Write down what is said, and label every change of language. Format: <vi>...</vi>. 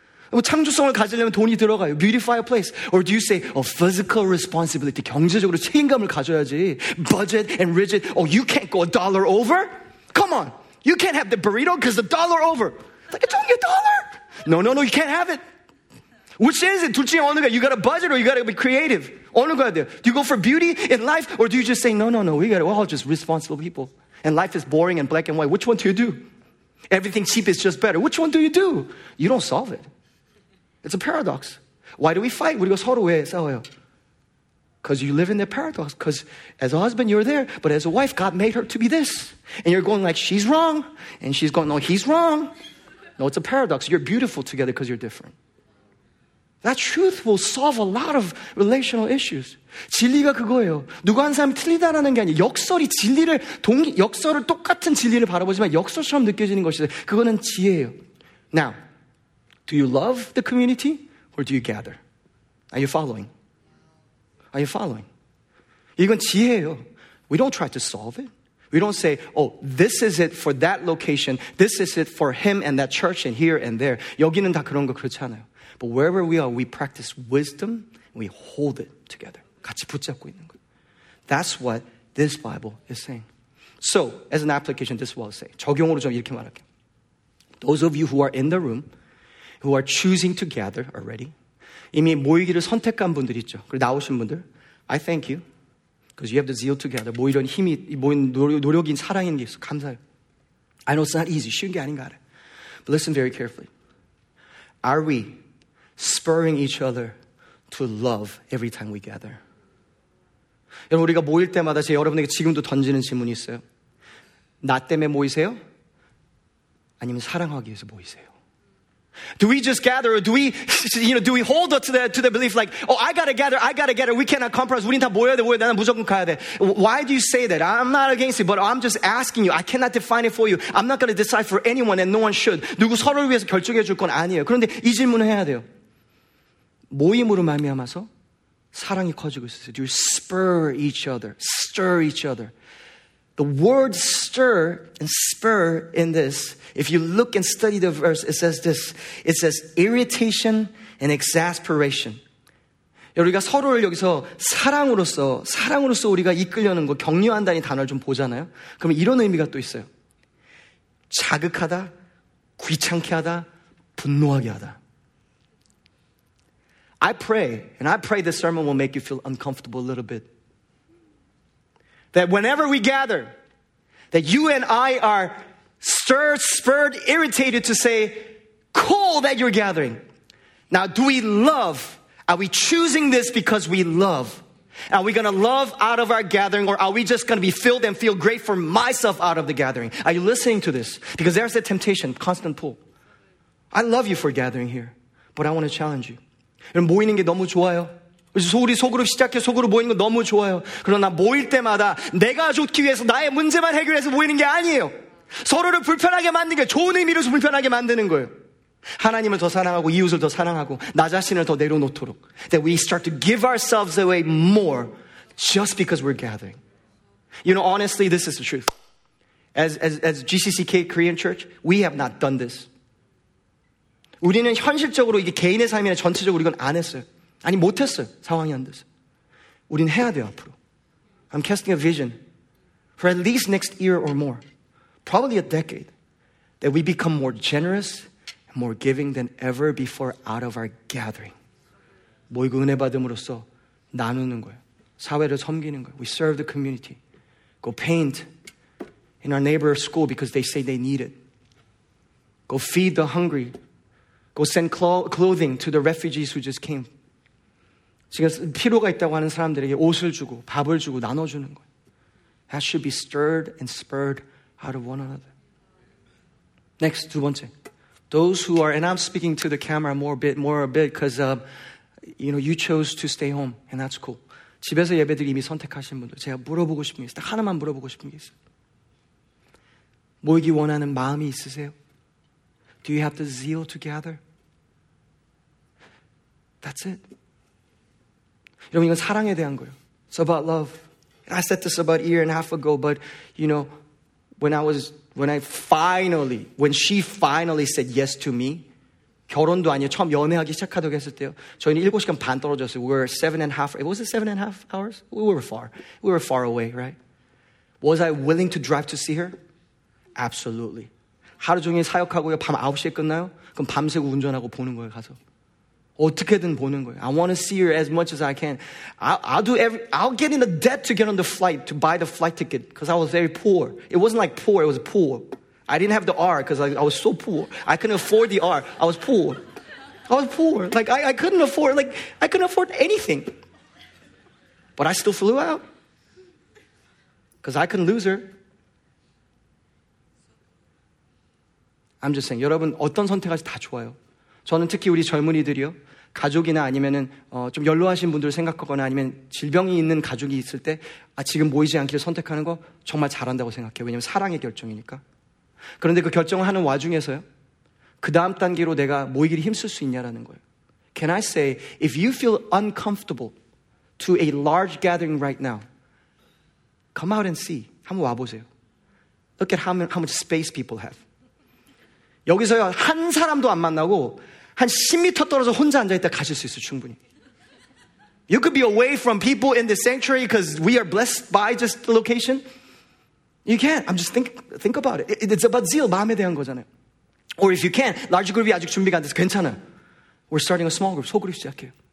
<ko>창조성을 가지려면 돈이 들어가요.</ko> <en>Beautify a place. Or do you say, oh, physical responsibility.</en> <ko>경제적으로 책임감을 가져야지.</ko> <en>Budget and rigid. Oh, you can't go a dollar over? Come on. You can't have the burrito because the dollar over. It's like, it's only a dollar. No, you can't have it. Which is it?</en> <ko>둘 중에 어느 거야?</ko> <en>You got a budget or you got to be creative?</en> <ko>어느 거야 돼요?</ko> <en>Do you go for beauty in life or do you just say, no, we're all just responsible people. And life is boring and black and white. Which one do you do? Everything cheap is just better. Which one do you do? You don't solve it. It's a paradox. Why do we fight?</en> <ko>우리가 서로 왜 싸워요?</ko> <en>Because you live in the paradox. Because as a husband, you're there. But as a wife, God made her to be this. And you're going like, she's wrong. And she's going, no, he's wrong. No, it's a paradox. You're beautiful together because you're different. That truth will solve a lot of relational issues.</en> <ko>진리가 그거예요. 누구 한 사람이 틀리다라는 게 아니에요. 역설이 진리를, 역설을 똑같은 진리를 바라보지만 역설처럼 느껴지는 것이죠. 그거는 지혜예요.</ko> <en>Now, do you love the community or do you gather? Are you following? Are you following?</en> <ko>이건 지혜예요.</ko> <en>We don't try to solve it. We don't say, oh, this is it for that location. This is it for him and that church and here and there.</en> <ko>여기는 다 그런 거 그렇지 않아요.</ko> <en>But wherever we are, we practice wisdom and we hold it together.</en> <ko>같이 붙잡고 있는 거예요.</ko> <en>That's what this Bible is saying. So, as an application, this is what I'll say.</en> <ko>적용으로 좀 이렇게 말할게요.</ko> <en>Those of you who are in the room, who are choosing to gather already,</en> <ko>이미 모이기를 선택한 분들 있죠. 그리고 나오신 분들,</ko> <en>I thank you, because you have the zeal to gather.</en> <ko>모이려는 힘이, 모인 노력이 사랑인 게 있어. 감사해요.</ko> <en>I know it's not easy.</en> <ko>쉬운 게 아닌가 알아요.</ko> <en>But listen very carefully. Are we spurring each other to love every time we gather?</en> <ko>여러분, 우리가 모일 때마다 제가 여러분에게 지금도 던지는 질문이 있어요. 나 때문에 모이세요? 아니면 사랑하기 위해서 모이세요?</ko> <en>Do we just gather or do we hold up to the belief like, oh, I gotta gather, we cannot compromise.</en> <ko>우린 다 모여야 돼, 나는 무조건 가야 돼.</ko> <en>Why do you say that? I'm not against it, but I'm just asking you. I cannot define it for you. I'm not gonna decide for anyone and no one should.</en> <ko>누구 서로를 위해서 결정해 줄 건 아니에요. 그런데 이 질문을 해야 돼요. 모임으로 말미암아서 사랑이 커지고 있어요.</ko> <en>Do you spur each other? Stir each other. The word stir and spur in this, if you look and study the verse, it says this. It says irritation and exasperation.</en> <ko>우리가 서로를 여기서 사랑으로서 우리가 이끌려는 거, 격려한다는 단어를 좀 보잖아요. 그럼 이런 의미가 또 있어요. 자극하다, 귀찮게 하다, 분노하게 하다.</ko> <en>I pray this sermon will make you feel uncomfortable a little bit. That whenever we gather, that you and I are stirred, spurred, irritated to say, cool that you're gathering. Now, do we love? Are we choosing this because we love? Are we going to love out of our gathering or are we just going to be filled and feel great for myself out of the gathering? Are you listening to this? Because there's a temptation, constant pull. I love you for gathering here, but I want to challenge you.</en> <ko>여러분, 모이는 게 너무 좋아요. 우리 속으로 시작해 속으로 모이는 거 너무 좋아요. 그러나 모일 때마다 내가 좋기 위해서 나의 문제만 해결해서 모이는 게 아니에요. 서로를 불편하게 만드는 게 좋은 의미로서 불편하게 만드는 거예요. 하나님을 더 사랑하고 이웃을 더 사랑하고 나 자신을 더 내려놓도록.</ko> <en>That we start to give ourselves away more just because we're gathering. You know, honestly, this is the truth. As GCCK Korean Church, we have not done this.</en> <ko>우리는 현실적으로 이게 개인의 삶이나 전체적으로 이건 안 했어요. 아니, 못했어요. 상황이 안 돼서. 우린 해야 돼요, 앞으로.</ko> <en>I'm casting a vision for at least next year or more, probably a decade, that we become more generous and more giving than ever before out of our gathering.</en> <ko>모이고 은혜 받음으로써 나누는 거예요. 사회를 섬기는 거예요.</ko> <en>We serve the community. Go paint in our neighbor's school because they say they need it. Go feed the hungry. Go send clothing to the refugees who just came.</en> <ko>지금 필요가 있다고 하는 사람들에게 옷을 주고 밥을 주고 나눠주는 거예요.</ko> <en>That should be stirred and spurred out of one another. Next,</en> <ko>두 번째.</ko> <en>Those who are, and I'm speaking to the camera more a bit, because you know, you chose to stay home, and that's cool.</en> <ko>집에서 예배들 이미 선택하신 분들, 제가 물어보고 싶은 게 있어요. 딱 하나만 물어보고 싶은 게 있어요. 모이기 원하는 마음이 있으세요?</ko> <en>Do you have the zeal to gather? That's it.</en> <ko>여러분, 이건 사랑에 대한 거예요.</ko> <en>It's about love. And I said this about a year and a half ago, but, you know, when she finally said yes to me,</en> <ko>결혼도 아니에요. 처음 연애하기 시작하도록 했을 때요. 저희는 7시간 반 떨어졌어요.</ko> <en>We were 7.5, was it 7.5 hours? We were far away, right? Was I willing to drive to see her? Absolutely.</en> <ko>하루 종일 사역하고요. 밤 9시에 끝나요? 그럼 밤새고 운전하고 보는 거예요, 가서. 어떻게든 보는 거예요.</ko> <en>I want to see her as much as I can. I'll get in the debt to get on the flight, to buy the flight ticket, because I was very poor. It wasn't like poor, it was poor. I didn't have the R, because I was so poor. I couldn't afford the R. I was poor. Like, I couldn't afford anything. But I still flew out, because I couldn't lose her. I'm just saying,</en> <ko>여러분 어떤 선택하지 다 좋아요. 저는 특히 우리 젊은이들이요. 가족이나 아니면은 좀 연로하신 분들을 생각하거나 아니면 질병이 있는 가족이 있을 때 지금 모이지 않기를 선택하는 거 정말 잘한다고 생각해요. 왜냐면 사랑의 결정이니까. 그런데 그 결정을 하는 와중에서요. 그 다음 단계로 내가 모이기를 힘쓸 수 있냐라는 거예요.</ko> <en>Can I say, if you feel uncomfortable to a large gathering right now, come out and see.</en> <ko>한번 와보세요.</ko> <en>Look at how much space people have.</en> <ko>여기서요, 한 사람도 안 만나고, 한 10m 떨어져 혼자 앉아있다 가실 수 있어, 충분히.</ko> <en>You could be away from people in the sanctuary because we are blessed by just the location. You can't. I'm just think about it. It's about zeal,</en> <ko>마음에 대한 거잖아요.</ko> <en>Or if you can, large group이</en> <ko>아직 준비가 안 돼서 괜찮아.</ko> <en>We're starting a small group.</en> <ko>소그룹 시작해요.</ko>